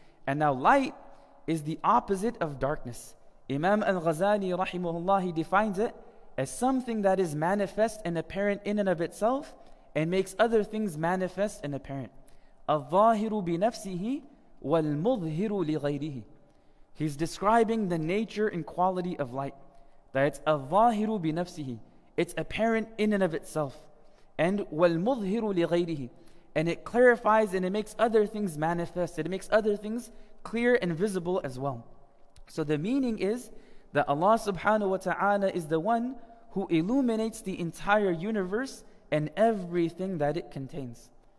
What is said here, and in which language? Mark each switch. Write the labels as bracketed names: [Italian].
[English] And now light is the opposite of darkness. Imam Al-Ghazali rahimahullah, he defines it as something that is manifest and apparent in and of itself, and makes other things manifest and apparent. [Arabic] الظَّاهِرُ بِنَفْسِهِ وَالْمُظْهِرُ لِغَيْرِهِ. [English] He's describing the nature and quality of light. That it's [Arabic] الظَّاهِرُ بِنَفْسِهِ. [English] It's apparent in and of itself. [Arabic] And وَالْمُظْهِرُ لِغَيْرِهِ. [English] And it clarifies and it makes other things manifest. It makes other things clear and visible as well. So the meaning is that Allah subhanahu wa ta'ala is the one who illuminates the entire universe and everything that it contains.